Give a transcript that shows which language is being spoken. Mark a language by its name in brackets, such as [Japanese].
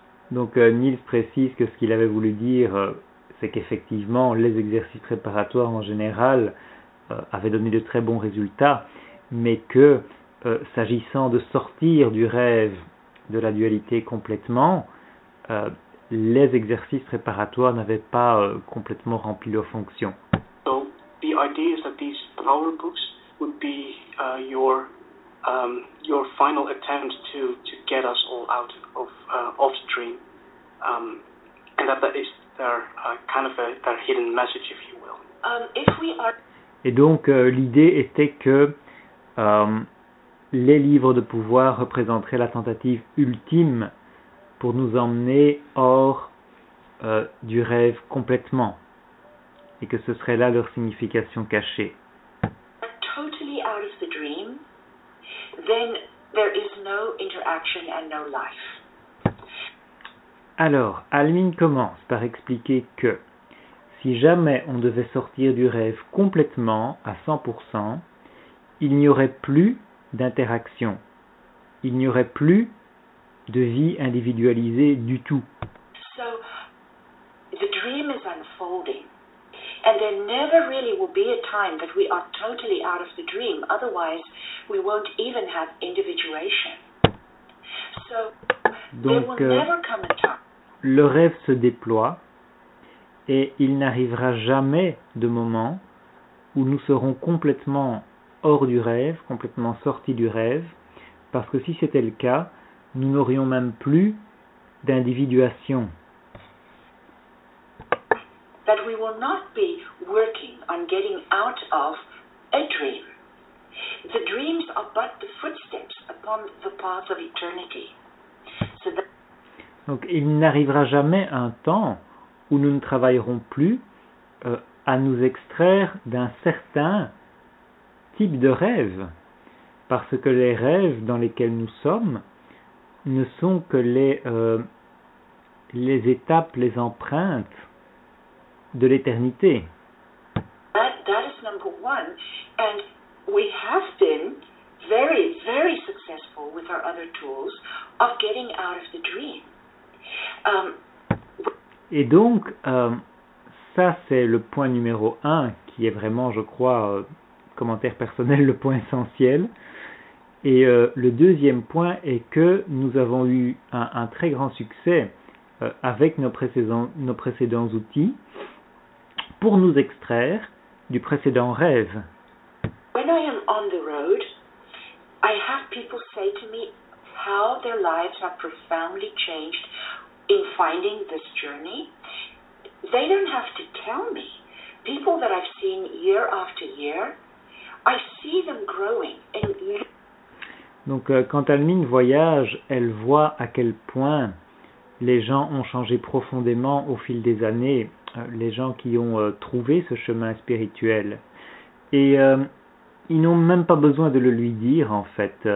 [French] Donc Niels précise que ce qu'il avait voulu dire, c'est qu'effectivement, les exercices préparatoires en général avaient donné de très bons résultats, mais que s'agissant de sortir du rêve de la dualité complètement, les exercices préparatoires n'avaient pas complètement rempli leurs fonctions. [English] So, the idea is that these power books would be your final attempt to get us all out of the dream, and that is their hidden message, if you will. [French] Et donc l'idée était que les livres de pouvoir représenteraient la tentative ultime pour nous emmener hors du rêve complètement, et que ce serait là leur signification cachée. [English] Totally out of the dream, then there is no interaction and no life. [French] Alors, Almin commence par expliquer que si jamais on devait sortir du rêve complètement, à 100%, il n'y aurait plus d'interaction. Il n'y aurait plus de vie individualisée du tout. [English] So, the dream is unfolding. And there never really will be a time that we are totally out of the dream. Otherwise, we won't even have individuation. So, [French] donc, [English] there will never come a time. [French] Le rêve se déploie et il n'arrivera jamais de moment où nous serons complètement hors du rêve, complètement sortis du rêve, parce que si c'était le cas, nous n'aurions même plus d'individuation. [English] That we will not be working on getting out of a dream. The dreams are but the footsteps upon the path of eternity. So that [French] donc, il n'arrivera jamais un temps où nous ne travaillerons plus à nous extraire d'un certain type de rêve, parce que les rêves dans lesquels nous sommes ne sont que les étapes, les empreintes de l'éternité. [English] That is number one. And we have been very, very successful with our other tools of getting out of the dream. [French] Et donc, ça, c'est le point numéro un qui est vraiment, je crois, commentaire personnel, le point essentiel. Et le deuxième point est que nous avons eu un très grand succès avec nos précédents outils pour nous extraire du précédent rêve. [English] When I am on the road, I have people say to me how their lives have profoundly changed in finding this journey. They don't have to tell me. People that I've seen year after year, I see them growing. [French] Donc, quand Almine voyage, elle voit à quel point les gens ont changé profondément au fil des années, les gens qui ont trouvé ce chemin spirituel. Et ils n'ont même pas besoin de le lui dire, en fait.